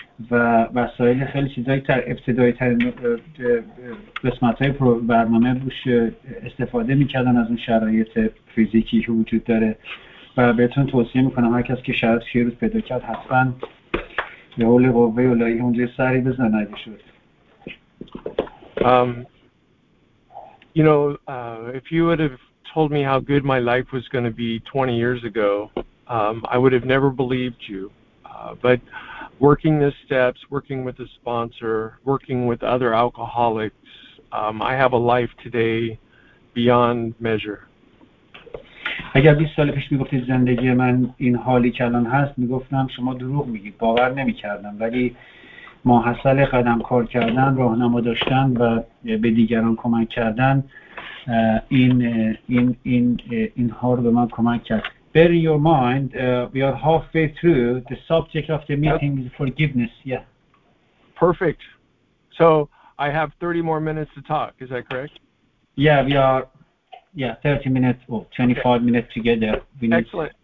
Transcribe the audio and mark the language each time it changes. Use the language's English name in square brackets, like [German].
[Persian] و وسایل خیلی چیزایی تر ابتدایی تر قسمت های برنامه بوش استفاده میکردن از اون شرایط فیزیکی که وجود داره. و بهتون توصیه میکنم هر کس که شرایط یه روز پیدا کرد حتما به حول قوه و لایه اونجا سری بزن اگه شد. [English] You know, if you would have told me how good my life was going to be 20 years ago, I would have never believed you. But working the steps, working with a sponsor, working with other alcoholics, I have a life today beyond measure. [Persian] اگر 20 سال پیش میگفتید زندگی من این حالی که الان هست، میگفتم شما دروغ میگید، باور نمیکردم. ولی ماحصل قدم کار کردن، راهنما داشتن و به دیگران کمک کردن، این ها رو به من کمک کرد. [English] bear in your mind, we are halfway through. The subject of the meeting is forgiveness. Yeah. Perfect. So I have 30 more minutes to talk. Is that correct? Yeah, we are. Yeah, 30 minutes or 25 okay. minutes together. We need Excellent.